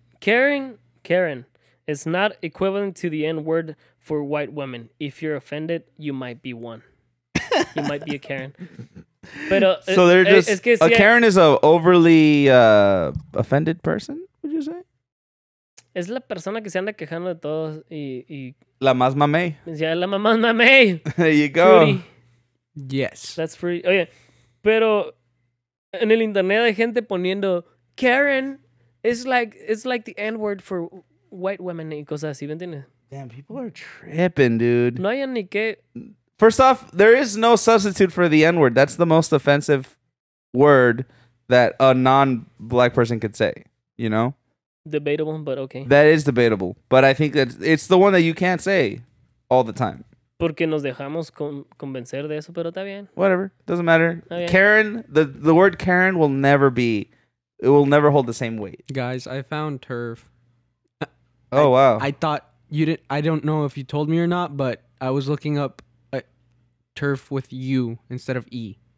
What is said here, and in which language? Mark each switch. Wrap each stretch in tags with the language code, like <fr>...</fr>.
<en>Karen is not equivalent to the N-word for white women. If you're offended, you might be one. You might be a Karen.</en> <es>Pero,</es> <en>so they're just...</en> <es>Es que si</es> <en>a Karen is a overly offended person, would you say?</en> <es>Es la persona que se anda quejando de todos y... La más mamey. Ya, la más mamey.</es> <en>There you go. Fruity. Yes. That's free.</en> <es>Oye, pero en el internet hay gente poniendo Karen...</es> <en>It's like the N-word for white women</en> <es>y cosas así, ¿entiendes?</es> <en>Damn, people are tripping, dude.</en> <es>No hay ni qué.</es> <en>First off, there is no substitute for the N-word. That's the most offensive word that a non-black person could say, you know? Debatable, but okay. That is debatable. But I think that it's the one that you can't say all the time.</en> <es>Porque nos dejamos convencer de eso, pero está bien.</es> <en>Whatever. Doesn't matter. Karen, the word Karen will never be, it will never hold the same weight. Guys, I found turf. Oh, wow. I thought you didn't, I don't know if you told me or not, but I was looking up a turf with U instead of E.</en>